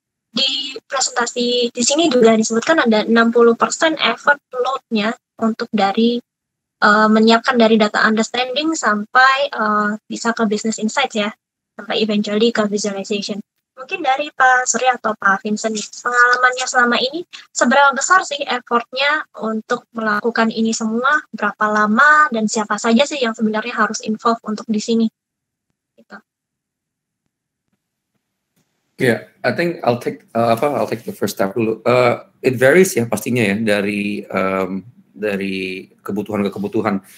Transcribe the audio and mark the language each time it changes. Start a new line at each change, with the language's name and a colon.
Indonesian: Di presentasi di sini juga disebutkan ada 60% effort load-nya untuk dari menyiapkan dari data understanding sampai bisa ke business insights ya, sampai eventually ke visualization. Mungkin dari Pak Surya atau Pak Vincent nih, pengalamannya selama ini, seberapa besar sih effort-nya untuk melakukan ini semua, berapa lama, dan siapa saja sih yang sebenarnya harus involve untuk di sini? Gitu.
English: Yeah, I think I'll take the first step
Indonesian: dulu.
English: It varies
Indonesian: ya pastinya ya, dari kebutuhan ke kebutuhan.